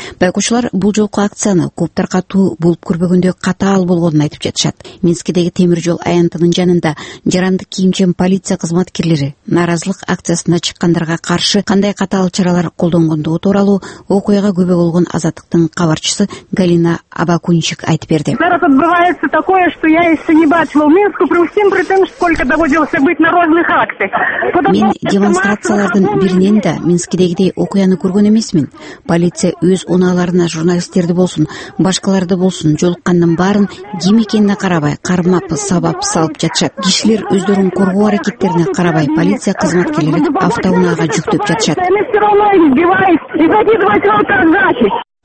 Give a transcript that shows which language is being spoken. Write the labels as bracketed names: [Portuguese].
[Kyrgyz] Байкуучулар бул жолку акцияны клубтар катуу болуп көрбөгөндөй катаал болгонун айтып жатышат. Минскидеги темир жол аянтынын жанында жаранды кийимчен полиция кызматкерлери нааразылык акциясына чыккандарга каршы кандай катаал чаралар колдонгондугу тууралуу окуяга күбө болгон Азаттыктын кабарчысы Галина Абакунчик айтып берди. [Russian] Зараз отбывается такое, что я еще не бачил в Минске, при всем при том, сколько доводилось быть на разных акциях. [Kyrgyz] Мен демонстрациялардын биринен да Минскидегидей окуяны көргөн эмесмин. Полиция өз унааларына журналисттерди болсун, башкаларды болсун, жолуккандын баарын ким экенине карабай, кармап, сабап салып жатышат. Кишилер өздөрүн коргоо аракеттерине карабай полиция кызматкерлери автоунаага жүктөп жатышат.